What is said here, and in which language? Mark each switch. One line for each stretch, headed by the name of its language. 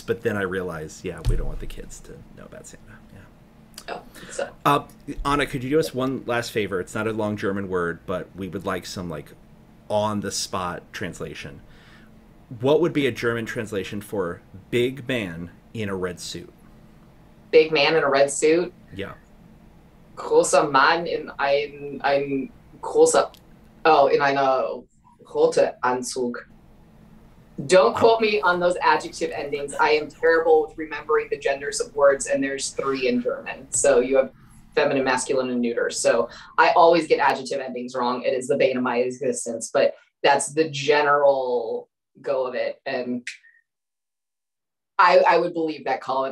English: But then I realized, yeah, we don't want the kids to know about Santa. Yeah. Anna, could you do us one last favor? It's not a long German word, but we would like some like on the spot translation. What would be a German translation for big man in a red suit? Big man in a red suit. Yeah.
German: Großer Mann in ein großer, in einer rote Anzug.
English: Don't quote me on those adjective endings. I am terrible with remembering the genders of words, and there's three in German. So you have feminine, masculine, and neuter. So I always get adjective endings wrong. It is the bane of my existence, but that's the general go of it. And I would believe that, Colin.